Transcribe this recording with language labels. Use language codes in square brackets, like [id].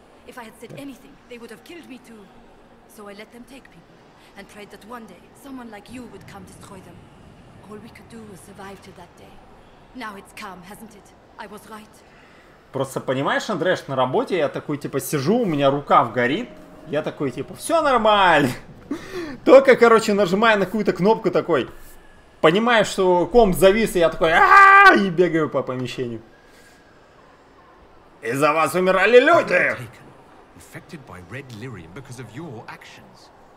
[en] If I had said anything, they would have killed me too. So I let them take people, and prayed that one day, someone like you would come destroy them. All we could do was survive till that day. Now it's come, hasn't it? I was right. [ru] Просто понимаешь, Андреш, на работе я такой, типа, сижу, у меня рукав горит. Я такой, типа, все нормально. Только, короче, нажимаю на какую-то кнопку такой, понимаю, что комп завис, и я такой, и бегаю по помещению. Из-за вас умирали люди! [en] Affected by Red Lyrium because of your actions.